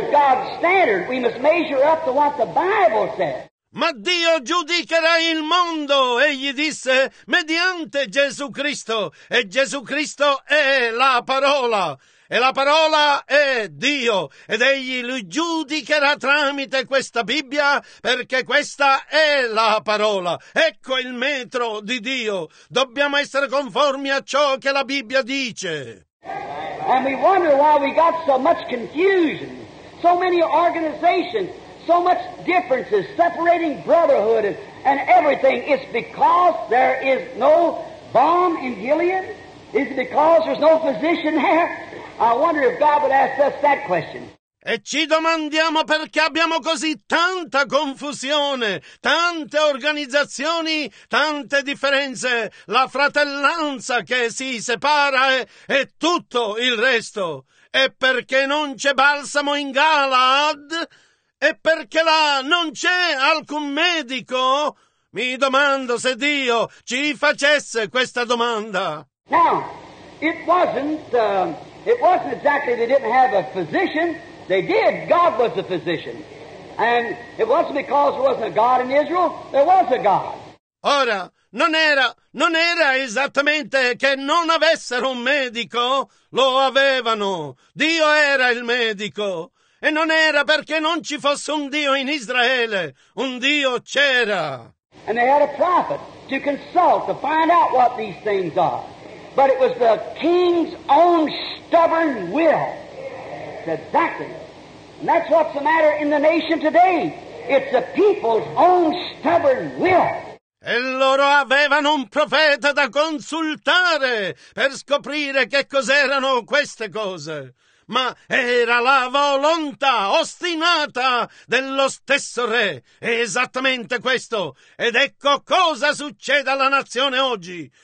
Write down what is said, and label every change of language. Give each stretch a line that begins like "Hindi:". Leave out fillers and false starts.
English: God's standard. We must measure up to what the Bible says.
Italian: Ma Dio giudicherà il mondo, egli disse, mediante Gesù Cristo. E Gesù Cristo è la parola. E la parola è Dio. Ed egli lo giudicherà tramite questa Bibbia, perché questa è la parola. Ecco il metro di Dio. Dobbiamo essere conformi a ciò che la Bibbia dice.
English: And we wonder why we got so much confusion, so many organizations, so much differences, separating brotherhood and everything. It's because there is no balm in Gilead? Is it because there's no physician there? I wonder if God would ask us that question.
Italian: E ci domandiamo perché abbiamo così tanta confusione, tante organizzazioni, tante differenze, la fratellanza che si separa e tutto il resto. E perché non c'è balsamo in Galaad? E perché là non c'è alcun medico? Mi domando se Dio ci facesse questa domanda.
English: Now, it wasn't exactly they didn't have a physician. They did. God was a physician. And it wasn't because there wasn't a God in Israel. There was a God.
Italian: Ora, non era esattamente che non avessero un medico. Lo avevano. Dio era il medico. E non era perché non ci fosse un Dio in Israele. Un Dio c'era.
English: And they had a prophet to consult, to find out what these things are. But it was the king's own stubborn will. Exactly. And that's what's the matter in the nation today. It's the people's own stubborn will.
Italian: E loro avevano un profeta da consultare per scoprire che cos'erano queste cose. Ma era la volontà ostinata dello stesso re. È esattamente questo. Ed ecco cosa succede alla nazione oggi.